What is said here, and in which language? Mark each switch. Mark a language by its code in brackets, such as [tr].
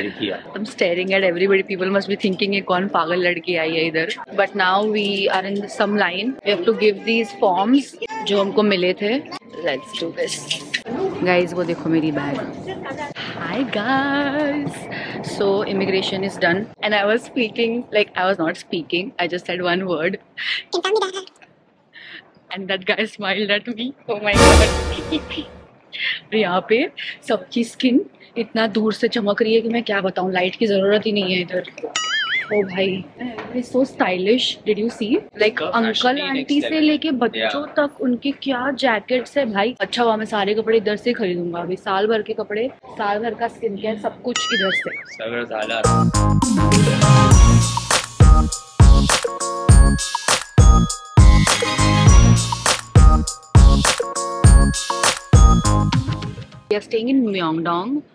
[hi] कौन पागल लड़की आई है इधर [en] but now we are in some line we have to give these forms [hi] जो हमको मिले थे [en] let's do this guys [hi] वो देखो मेरी bag [en] Hi guys. So immigration is done and I was speaking like I was not speaking. I just said one word. And that guy smiled at me. Oh my god. [hi] यहाँ पे सबकी skin इतना दूर से चमक रही है कि मैं क्या बताऊँ लाइट की जरूरत ही नहीं है इधर ओ भाई [en] is so stylish did you see like [hi] uncle aunty से लेके बच्चों तक उनके क्या जैकेट्स है भाई अच्छा हुआ मैं सारे कपड़े इधर से खरीदूंगा अभी साल भर के कपड़े साल भर का स्किन केयर सब कुछ इधर से [en] We are staying in Myeongdong.